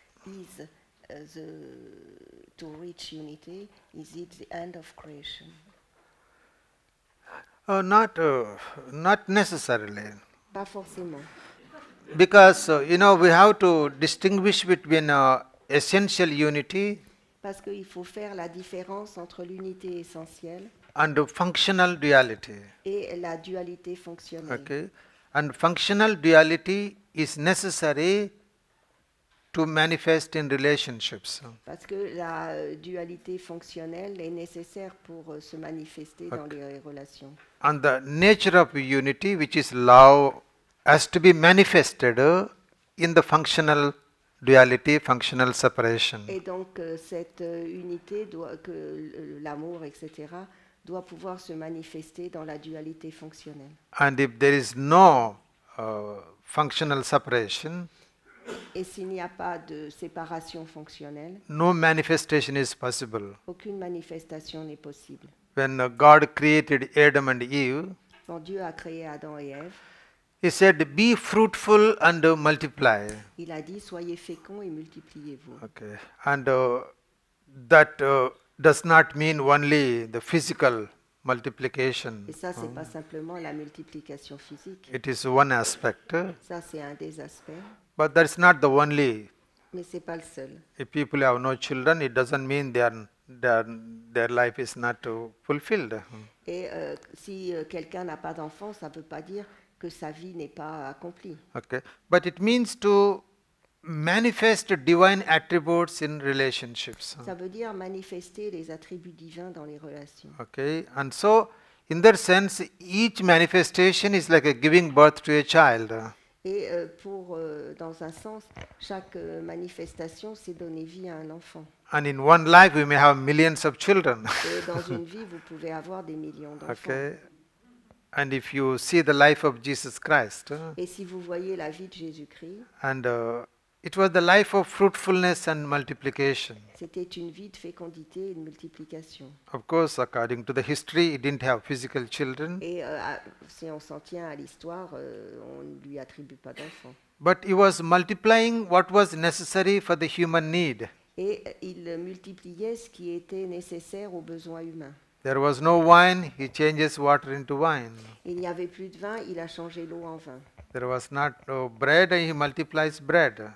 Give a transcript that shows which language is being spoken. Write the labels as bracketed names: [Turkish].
[English] Is the to reach unity? Is it the end of creation? Not necessarily. [French] Pas forcément. [English] Because you know we have to distinguish between essential unity. [French] Parce qu'il faut faire la différence entre l'unité essentielle. [English] And the functional duality. [French] Et la dualité fonctionnelle. [English] Okay. And functional duality is necessary to manifest in relationships. [French] Parce que la dualité fonctionnelle est nécessaire pour se manifester dans les relations. [English] And the nature of unity, which is love, has to be manifested in the functional duality, functional separation. [French] Et donc cette unité doit que l'amour, etc., doit pouvoir se manifester dans la dualité fonctionnelle. [English] And if there is no functional separation, [French] et s'il n'y a pas de séparation fonctionnelle, [English] no manifestation is possible. [French] Aucune manifestation n'est possible. [English] When God created Adam and Eve, [French] quand Dieu a créé Adam et Ève, [English] He said, "Be fruitful and multiply." [French] Il a dit, soyez féconds et multipliez-vous. [English] Okay, and that does not mean only the physical multiplication. [French] Et ça, c'est pas simplement la multiplication physique. [English] It is one aspect. [French] Ça, c'est un des aspects. [English] But that's not the only. [French] Mais c'est pas le seul. [English] If people have no children, it doesn't mean their life is not fulfilled. [French] Et si quelqu'un n'a pas d'enfant, ça veut pas dire que sa vie n'est pas accomplie. [English] Okay, but it means to manifest divine attributes in relationships. [French] Ça veut dire manifester les attributs divins dans les relations. [English] Okay, and so in that sense, each manifestation is like a giving birth to a child. [French] Et pour dans un sens, chaque manifestation c'est donner vie à un enfant. [English] And in one life, we may have millions of children. [French] Et dans une vie, vous pouvez avoir des millions d'enfants. [English] Okay. And if you see the life of Jesus Christ, [French] et si vous voyez la vie de Jésus-Christ, [English] and it was the life of fruitfulness and multiplication. [French] C'était une vie de fécondité et de multiplication. [English] Of course, according to the history, he didn't have physical children. [French] Et si on s'en tient à l'histoire, on ne lui attribue pas d'enfants. [English] But he was multiplying what was necessary for the human need. [French] Et il multipliait ce qui était nécessaire aux besoins humains. [English] There was no wine, he changes water into wine. [French] Il n'y avait plus de vin, il a changé l'eau en vin. [English] There was not no bread, he multiplies bread.